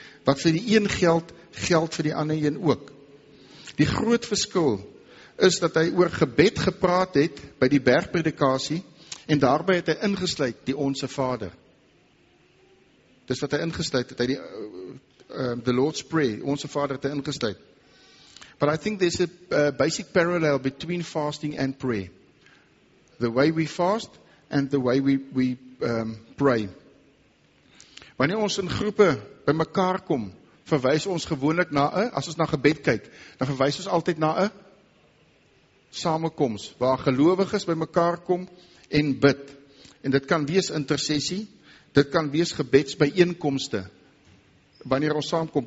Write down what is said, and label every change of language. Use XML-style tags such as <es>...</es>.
<af>Wat vir die een geld, geld vir die ander een ook. Die groot verskil is dat hy oor gebed gepraat het by die bergpredikasie en daarby het hy ingesluit die Onse Vader. Dis wat hy ingesluit het, hy die the Lord's Prayer, Onse Vader het hy ingesluit.</af> <en>But I think there's a basic parallel between fasting and prayer. The way we fast and the way we pray.</en> <af>Wanneer ons in groepe by mekaar kom, verwys ons gewoonlik na 'n, as ons na gebed kyk, dan verwys ons altyd na 'n samekoms, waar gelowiges by mekaar kom en bid. En dit kan wees intersessie, dit kan wees gebedsbijeenkomste, wanneer ons saamkom.</af>